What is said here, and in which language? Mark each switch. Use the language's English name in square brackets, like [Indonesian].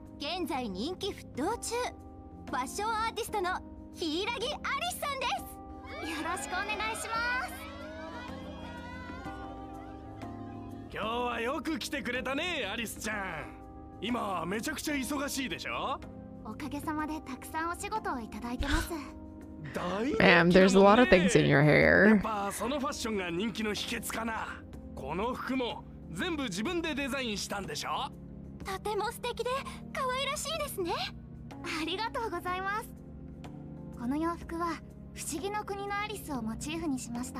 [Japanese] 現在人気沸騰中、ファッションアーティストのヒイラギアリスさんです。よろしくお願いします。今日はよく来てくれたね、アリスちゃん。今めちゃくちゃ忙しいでしょ。おかげさまでたくさんお仕事をいただいてます。 [English] Ma'am, there's a lot of things in your hair. [Japanese] その ファッションが人気の秘訣かな。この服も全部自分でデザインしたんでしょ。とても素敵で可愛らしいですね。ありがとうございます。この洋服は不思議の国のアリスをモチーフにしました。